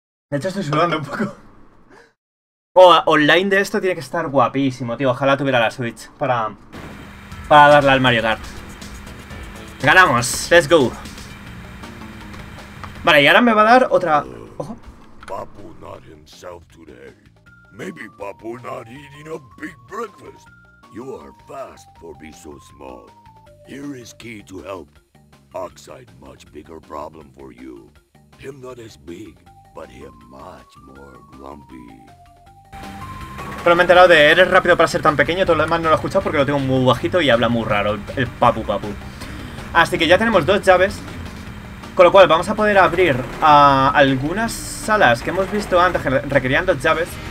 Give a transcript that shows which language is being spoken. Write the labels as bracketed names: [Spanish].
[Spanish] De hecho estoy sudando un poco. Online de esto tiene que estar guapísimo, tío. Ojalá tuviera la Switch para darle al Mario Kart. ¡Ganamos! [English] ¡Let's go! [Spanish] Vale, y ahora me va a dar otra... ¡Ojo! [English] Papu not himself today. Maybe Papu not eating a big breakfast. You are fast for be so small. Here is key to help. Oxide much bigger problem for you. Him not as big, but him much more grumpy. [Spanish] Pero me he enterado de eres rápido para ser tan pequeño. Todo lo demás no lo he escuchado porque lo tengo muy bajito y habla muy raro el Papu Papu. Así que ya tenemos 2 llaves, con lo cual vamos a poder abrir algunas salas que hemos visto antes que requerían 2 llaves.